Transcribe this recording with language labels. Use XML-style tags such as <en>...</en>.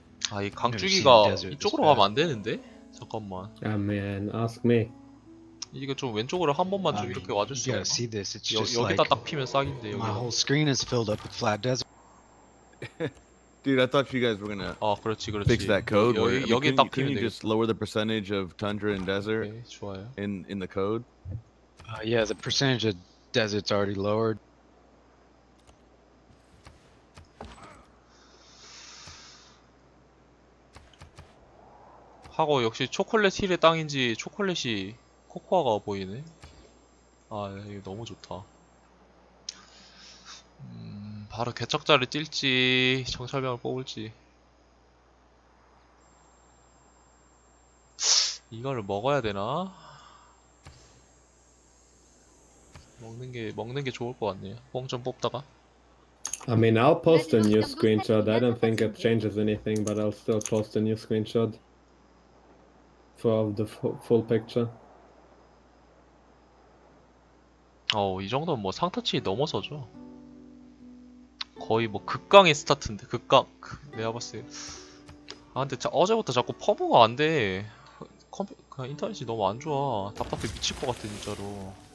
<ko>Ah, 이 강줄기가 이쪽으로 가면 안 되는데? 잠깐만.</ko> <en>Ah, man, ask me.</en> <ko>이거 좀 왼쪽으로 한 번만 좀 이렇게 와줄 수 있어?</ko> <en>See this. It's</en> <ko>여기다 딱 피면 싹인데.</ko> <en>My whole screen is filled up with flat desert. Dude, I thought you guys were gonna fix that code.</en> <ko>여기,</ko> <en>I mean,</en> <ko>여기 딱 피면</ko> <en>can you just lower the percentage of tundra and desert okay, in the code? Yeah, the percentage of desert's already lowered.</en> <ko>Hago, 역시 초콜릿 힐의 땅인지 초콜릿이 코코아가 보이네. 아, 이거 너무 좋다. 바로 개척자를 뛸지 정찰병을 뽑을지. 이거를 먹어야 되나? 먹는 게 좋을 것 같네요. 뽕 좀 뽑다가.</ko> <en>I mean, I'll post a new screenshot. I don't think it changes anything, but I'll still post a new screenshot for the full picture.</en> <ko>어우, 이 정도면 뭐 상타치 넘어서죠. 거의 뭐 극강의 스타트인데, 극강. 내가 봤을 때. 아, 근데 어제부터 자꾸 퍼브가 안 돼. 그냥 인터넷이 너무 안 좋아. 답답해 미칠 것 같아, 진짜로.</ko>